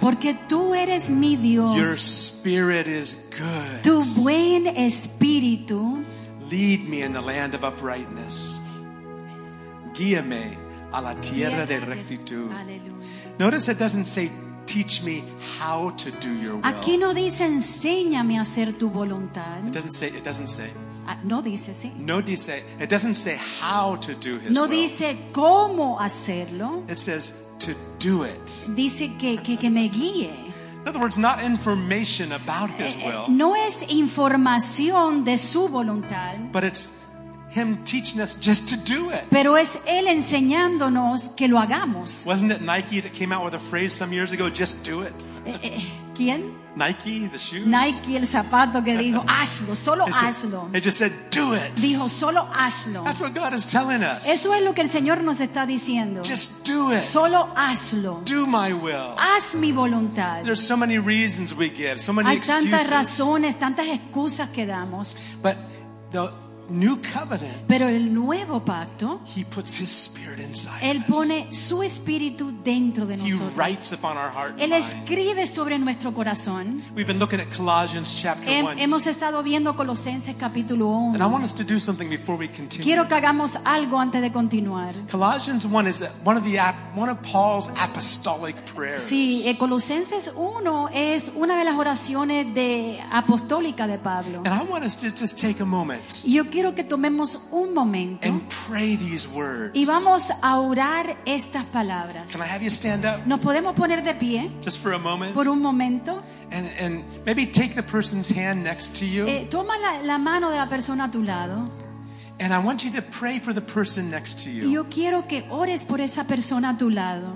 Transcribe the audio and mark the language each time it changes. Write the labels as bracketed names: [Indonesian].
[Spanish] Porque tú eres mi Dios. [English] Your spirit is good. [Spanish] Tu buen espíritu. [English] Lead me in the land of uprightness. [Spanish] Guíame a la tierra de rectitud. Aleluya. [English] Notice it doesn't say teach me how to do your will. [Spanish] Aquí no dice enséñame a hacer tu voluntad. [English] It doesn't say. [Spanish] No dice sí. No dice. [English] It doesn't say how to do his [Spanish] no [English] will. [Spanish] No dice cómo hacerlo. [English] It says to do it. [Spanish] Dice que me guíe. [English] In other words, not information about his will. [Spanish] No es información de su voluntad. [English] But it's Him teaching us just to do it. [Spanish] Pero es él enseñándonos que lo hagamos. [English] Wasn't it Nike that came out with a phrase some years ago, just do it? [Spanish] ¿Quién? [English] Nike, the shoes. [Spanish] Nike, el zapato que dijo, hazlo, solo hazlo. [English] It just said, do it. [Spanish] Dijo, solo hazlo. [English] That's what God is telling us. [Spanish] Eso es lo que el Señor nos está diciendo. [English] Just do it. [Spanish] Solo hazlo. [English] Do my will. [Spanish] Haz mi voluntad. [English] There's so many reasons we give, so many excuses. [Spanish] Hay tantas [English] excuses. [Spanish] Razones, tantas excusas que damos. [English] But the New covenant. [Spanish] Pero el nuevo pacto. [English] He puts his spirit inside [Spanish] él [English] us. [Spanish] Pone su espíritu dentro de [English] he [Spanish] nosotros. [English] He writes upon our heart. [Spanish] Él escribe sobre nuestro corazón. [English] We've been looking at Colossians chapter 1. [Spanish] Hemos estado viendo Colosenses capítulo 1. [English] And I want us to do something before we continue. [Spanish] Quiero que hagamos algo antes de continuar. [English] Colossians 1 is one of Paul's apostolic prayers. [Spanish] Sí, Colosenses 1 es una de las oraciones de apostólica de Pablo. [English] And I want us to just take a moment. [Spanish] Quiero que tomemos un momento [English] and pray these words. [Spanish] Y vamos a orar estas palabras. [English] Can I have you stand up? [Spanish] ¿Nos podemos poner de pie? [English] Just for a moment. [Spanish] Por un momento. [English] And maybe take the person's hand next to you. [Spanish] Toma la mano de la persona a tu lado. [English] And I want you to pray for the person next to you. [Spanish] Yo quiero que ores por esa persona a tu lado.